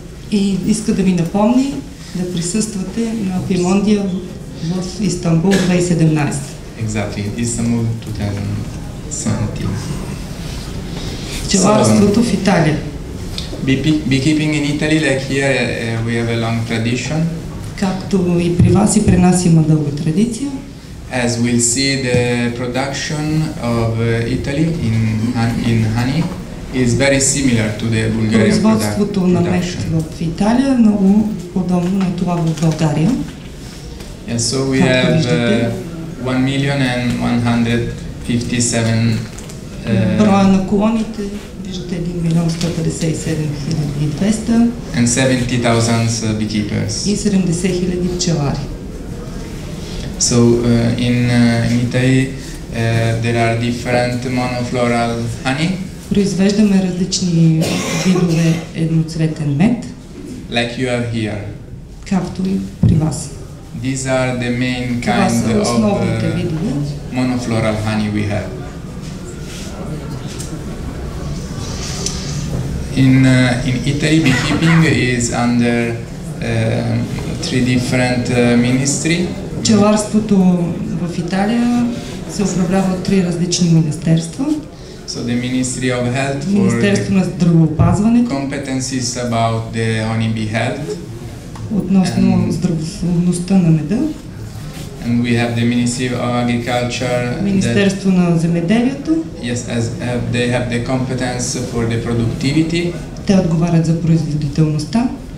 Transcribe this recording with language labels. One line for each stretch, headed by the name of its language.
Bulgarian: И иска да ви напомни да присъствате на Epimondia в Истанбул 2017.
English: Exactly, Istanbul 2017.
Bulgarian: Пчеларството в Италия.
English: Beekeeping in Italy, like here, we have a long tradition.
Bulgarian: Както и при вас и при нас има дълга традиция.
English: As we'll see, the production of Italy in honey is very similar to the Bulgarian production.
Bulgarian: Производството на мед в Италия е много подобно на това в България.
English: Yes, so we have 1,157,000.
Bulgarian: Броя на колоните. Виждате 1,157,200
English: and 70,000 beekeepers.
Bulgarian: И 70,000 пчелари.
English: So in Italy there are different monofloral honey.
Bulgarian: Произвеждаме различни видове едноцветен мед.
English: Like you are here.
Bulgarian: Както и при вас.
English: These are the main kind of monofloral honey we have. In Italy, beekeeping is under three different ministry.
Bulgarian: Пчеларството в Италия се управлява от три различни министерства.
English: So the Ministry of Health for
Bulgarian: Министерство на здравеопазването.
English: Competencies about the honeybee health.
Bulgarian: Относно здравословността на меда.
English: And we have the Ministry of Agriculture.
Bulgarian: Министерство на земеделието.
English: Yes, as they have the competence for the productivity.
Bulgarian: Те отговарят за производителността.